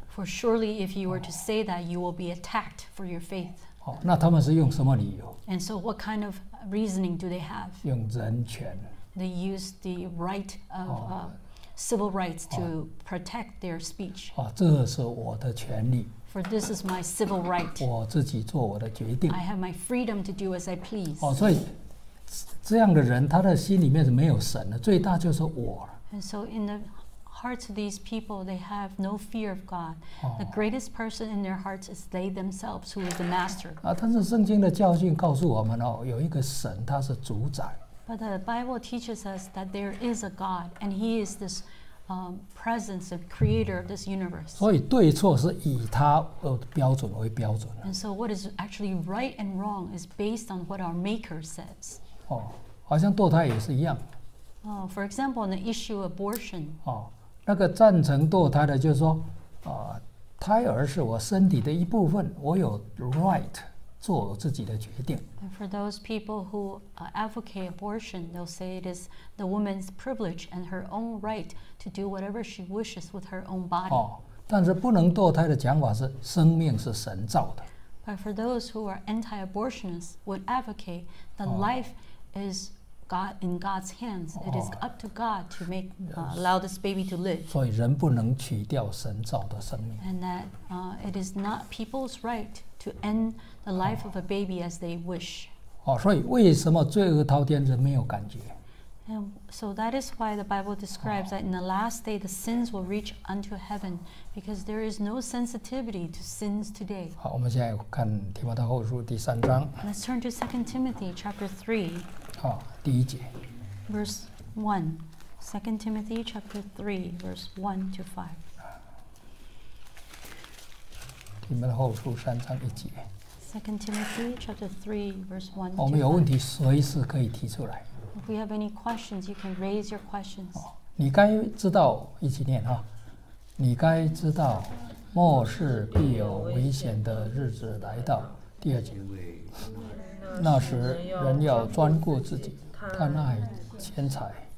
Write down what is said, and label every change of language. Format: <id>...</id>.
<en>For surely, if you were to say that, you will be attacked for your faith.</en> <zh>好，那他们是用什么理由</zh> <en>？And so, what kind of reasoning do they have?</en> <zh>用人权。</zh> <en>They use the right of civil rights to protect their speech.</en> <zh>啊，这是我的权利。</zh> <en>For this is my civil right.</en> <zh>我自己做我的决定。</zh> <en>I have my freedom to do as I please.</en> <zh>哦，所以这样的人，他的心里面是没有神的，最大就是我。</zh> <en>And so in the hearts of these people, they have no fear of God. The greatest person in their hearts is they themselves, who is the master.</en> <zh>啊，但是圣经的教训告诉我们哦，有一个神，他是主宰。</zh> <en>But the Bible teaches us that there is a God, and He is this presence of creator of this universe.</en> <zh>所以对错是以他的标准为标准。</zh> <en>And so what is actually right and wrong is based on what our Maker says.</en> <zh>哦，好像堕胎也是一样。</zh> <en>For example, on the issue of abortion.</en> <zh>哦。那个赞成堕胎的就是说、胎儿是我身体的一部分，我有 right 做我自己的决定。</zh> <en>And for those people who advocate abortion, they'll say it is the woman's privilege and her own right to do whatever she wishes with her own body.、</en> <zh>哦、但是不能堕胎的讲法是生命是神造的。</zh> <en>But for those who are anti-abortionists would advocate that life is God in God's hands. It is up to God to make allow this baby to live.</en> <zh>所以人不能取掉神造的生命。</zh> <en>And that it is not people's right to end the life of a baby as they wish.</en> <zh>哦，所以为什么罪恶滔天人没有感觉</zh> <en>？And so that is why the Bible describes that in the last day the sins will reach unto heaven because there is no sensitivity to sins today.</en> <zh>好，我们现在看提摩太后书第三章。</zh> <en>Let's turn to 2 Timothy chapter 3.</en> <zh>第一节</zh> <en>Verse 1 2 Timothy chapter 3 Verse 1 to 5</en> <zh>提摩太后书三章一节</zh> <en>2 Timothy chapter 3 Verse 1 to 5</en> <zh>我们有问题随时可以提出来</zh> <en>If we have any questions You can raise your questions</en> <zh>你该知道一起念、啊、你该知道末世必有危险的日子来到第二节那时人要专顾自己贪爱钱财、</zh>